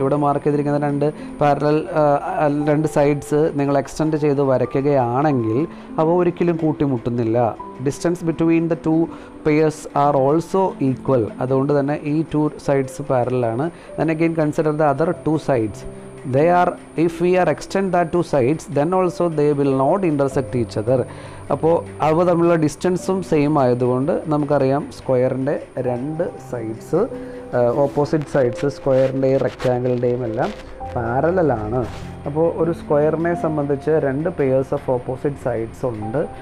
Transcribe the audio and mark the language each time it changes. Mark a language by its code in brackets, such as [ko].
[ml] ഇവിടെ മാർക്ക് ചെയ്തിരിക്കുന്ന രണ്ട് പാരലൽ രണ്ട് സൈഡ്സ് നിങ്ങൾ എക്സ്റ്റെൻഡ് ചെയ്ത് വരയ്ക്കുകയാണെങ്കിൽ അവ ഒരിക്കലും കൂട്ടിമുട്ടുന്നില്ല. [en] Distance between the two pairs are also equal. [ml] അതുകൊണ്ട് തന്നെ ഈ two sides പാരലാണ്. [en] Then again consider the other two sides. They are, if we are extend that two sides, then also they will not intersect each other. [ml] അപ്പോൾ അവ തമ്മിലുള്ള ഡിസ്റ്റൻസും same ആയതുകൊണ്ട് നമുക്കറിയാം സ്ക്വയറിൻ്റെ രണ്ട് സൈഡ്സ് ഓപ്പോസിറ്റ് സൈഡ്സ് സ്ക്വയറിൻ്റെയും റെക്റ്റാങ്കിളിൻ്റെയും എല്ലാം പാരലലാണ്. അപ്പോൾ ഒരു സ്ക്വയറിനെ സംബന്ധിച്ച് രണ്ട് പെയേഴ്സ് ഓഫ് ഓപ്പോസിറ്റ് സൈഡ്സ് ഉണ്ട്.